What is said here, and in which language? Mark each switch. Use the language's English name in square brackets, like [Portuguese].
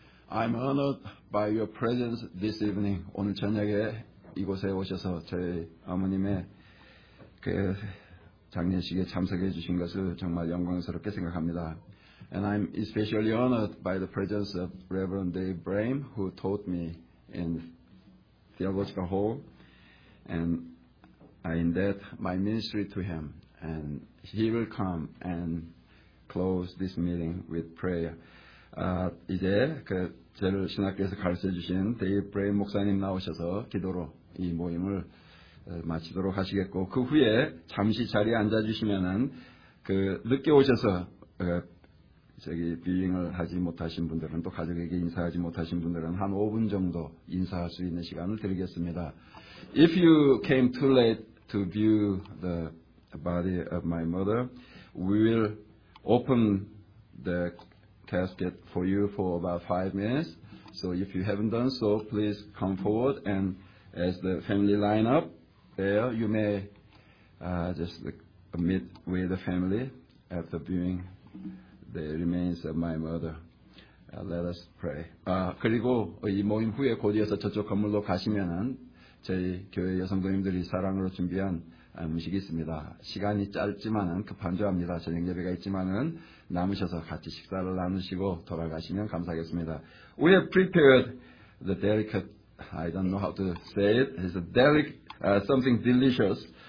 [English] I'm honored by your presence this evening [Korean] 오늘 저녁에 이곳에 오셔서 저희 어머님의 그 장례식에 참석해 주신 것을 정말 영광스럽게 생각합니다 [English] And I'm especially honored by the presence of Reverend Dave Brame who taught me in theological hall and I indebted my ministry to him and he will come and close this meeting with prayer. [Korean] 이제 그 저를 신학교에서 가르쳐 주신 데이 브레인 목사님 나오셔서 기도로 이 모임을 마치도록 하시겠고 그 후에 잠시 자리에 앉아 주시면은 그 늦게 오셔서 저기 비잉을 하지 못하신 분들은 또 가족에게 인사하지 못하신 분들은 한 5분 정도 인사할 수 있는 시간을 드리겠습니다. [English] If you came too late to view the body of my mother, we will open the casket for you for about 5 minutes. So if you haven't done so, please come forward and as the family line up there, you may just meet with the family after viewing. The remains of my mother. Let us pray. [Korean] 그리고 이 모임 후에 곧이어서 저쪽 건물로 가시면은 저희 교회 여성부님들이 사랑으로 준비한 음식이 있습니다. 시간이 짧지만은 급한 줄 압니다. 저녁 예배가 있지만은 남으셔서 같이 식사를 나누시고 돌아가시면 감사하겠습니다. [English] We have prepared the delicate. I don't know how to say it. It's a delicate something delicious.